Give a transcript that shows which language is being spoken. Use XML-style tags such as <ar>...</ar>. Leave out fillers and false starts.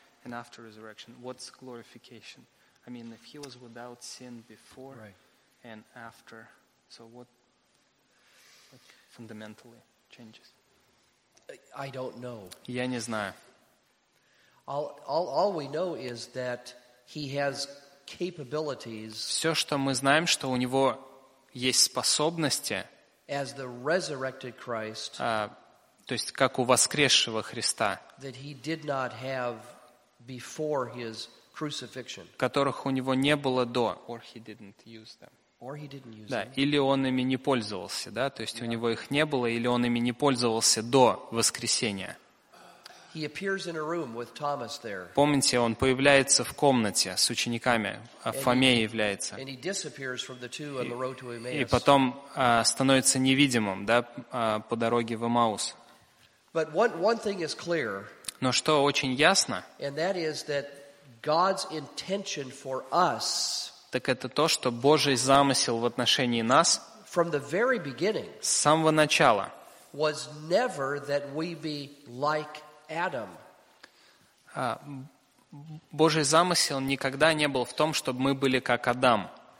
<en>And after resurrection, what's glorification? I mean, if he was without sin before and after, so what fundamentally changes? I don't know.</en> <ru>Я не знаю.</ru> <en>All we know is that he has capabilities.</en> <ru>Все, что мы знаем, что у него есть способности.</ru> <en>As the resurrected Christ.</en> <ru>То есть как у воскресшего Христа.</ru> <en>That he did not have. Before his crucifixion,</en> <ru>которых у него не было до,</ru> <en>or he didn't use them, or he didn't use them.</en> <ru>Да, или он ими не пользовался, да, то есть у него их не было, или он ими не пользовался до воскресения.</ru> <en>He appears in a room with Thomas there.</en> <ru>Помните, он появляется в комнате с учениками, а Фоме является.</ru> <en>And he disappears from the two on the road to Emmaus.</en> <ru>И потом становится невидимым, да, по дороге в Эммаус.</ru> <en>But one thing is clear.</en> <ru>Но что очень ясно,</ru> <en>and that is that God's intention for us,</en> <ru>так это то, что Божий замысел в отношении нас</ru> <en>from the very beginning,</en> <ru>с самого начала</ru> <en>was never that we be like Adam.</en> <ru>Божий замысел никогда не был в том, чтобы мы были как Адам,</ru>